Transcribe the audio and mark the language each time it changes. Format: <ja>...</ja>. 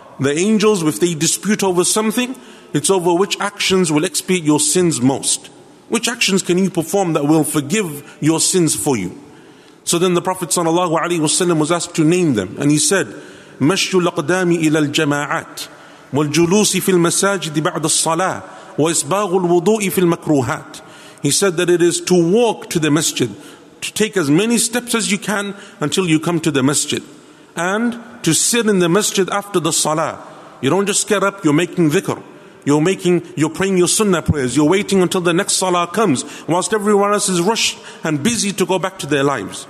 <en>The angels, if they dispute over something, it's over which actions will expiate your sins most. Which actions can you perform that will forgive your sins for you? So then the Prophet sallallahu alaihi wasallam was asked to name them, and he said,</en> <ar>Mashyu laqdami ila al-jama'at. والجلوس في المساجد بعد الصلاة وإسباغ الوضوء في المكروهات.</ar> <en>He said that it is to walk to the masjid, to take as many steps as you can until you come to the masjid, and to sit in the masjid after the salah. You don't just get up, you're making dhikr, you're praying your sunnah prayers, you're waiting until the next salah comes whilst everyone else is rushed and busy to go back to their lives.</en>